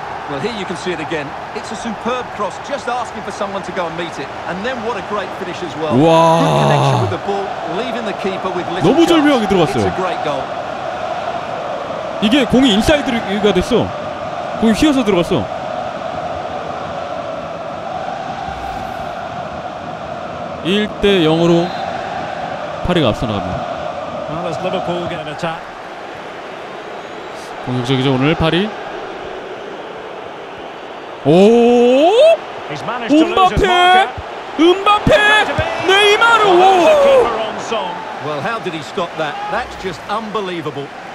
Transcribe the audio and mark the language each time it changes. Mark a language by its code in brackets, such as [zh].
[en] Well, here you can see it again. It's a superb cross, just asking for someone to go and meet it. And then what a great finish as well. Good connection with the ball, leaving the keeper with little. [ko] 너무 절묘하게 들어갔어요. [en] It's a great goal. [ko] 이게 공이 인사이드가 됐어. 공이 휘어서 들어갔어. Well, 1-0으로 파리가 앞서 나갑니다. [en] Liverpool get an attack. [ko] 공격적이죠 오늘 파리. 오! 음바페! 음바페! 네이마르! 오! [en] Well, how did he stop that? That's just unbelievable.